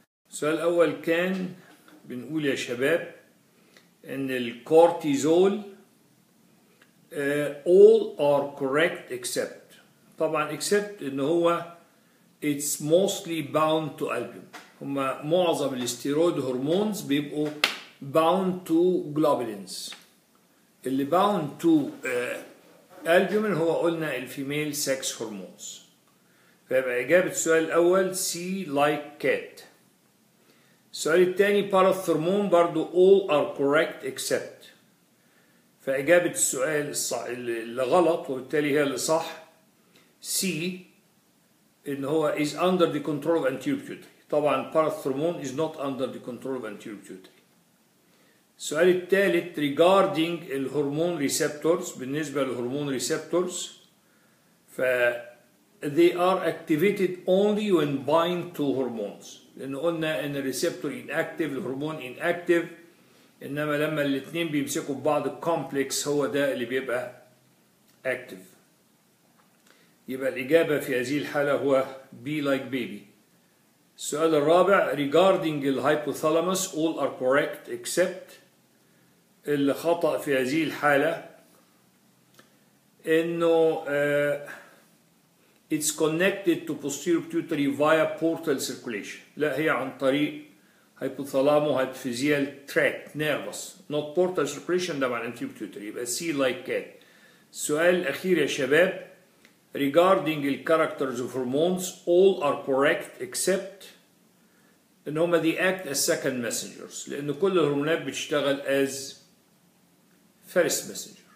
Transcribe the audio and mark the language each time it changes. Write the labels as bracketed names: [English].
[Arabic] السؤال الاول كان بنقول يا شباب ان الكورتيزول [English] all are correct except، [Arabic] طبعا except ان هو [English] it's mostly bound to albumin، [Arabic] هما معظم الاستيرويد هرمونز بيبقوا [English] bound to globulins، [Arabic] اللي bound to albumin هو قلنا الفيميل سكس هرمونز. فيبقى اجابة السؤال الاول C like cat. السؤال الثاني باراثرمون برضو [English] all are correct except، [Arabic] فإجابة السؤال اللي غلط وبالتالي هي اللي صح C إن هو [English] is under the control of anterior pituitary، [Arabic] طبعا باراثرمون [English] is not under the control of anterior pituitary. [Arabic] السؤال الثالث regarding الهرمون receptors، بالنسبة للهرمون receptors ف [English] they are activated only when bind to hormones، [Arabic] لأنه قلنا أن الريسبتور inactive الهرمون inactive، إنما لما الاثنين بيمسكوا بعض complex هو ده اللي بيبقى active. يبقى الإجابة في هذه الحالة هو [English] B like baby. [Arabic] السؤال الرابع [English] regarding the hypothalamus all are correct except، [Arabic] اللي خطأ في هذه الحالة إنه [English] It's connected to posterior pituitary via portal circulation. [Arabic] لا هي عن طريق [English] hypothalamo hypophysial tract nervous. Not portal circulation [Arabic] ده مع [English] anterior pituitary. [Arabic] يبقى [English] C like cat. [Arabic] سؤال أخير يا شباب. [English] Regarding the characters of hormones, all are correct except [Arabic] إن هما [English] they act as second messengers. [Arabic] لأن كل الهرمونات بتشتغل [English] as first messenger.